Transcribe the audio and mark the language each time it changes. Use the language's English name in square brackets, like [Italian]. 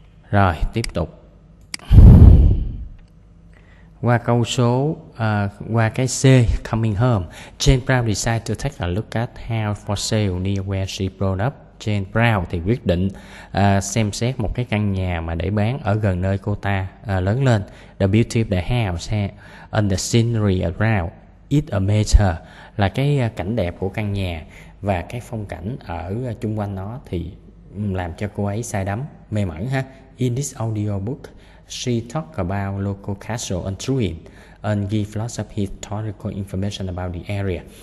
[Vietnamese] Rồi tiếp tục qua câu số qua cái C, coming home. [English] Jane Brown decided to take a look at house for sale near where she grew up. [Vietnamese] Jane Brown thì quyết định xem xét một cái căn nhà mà để bán ở gần nơi cô ta lớn lên. [English] The beauty of the house and the scenery around it amazed her. [Vietnamese] Là cái cảnh đẹp của căn nhà và cái phong cảnh ở chung quanh nó thì làm cho cô ấy say đắm, mê mẩn ha. [English] In this audiobook, she talked about local castle and ruin and give lots of historical information about the area.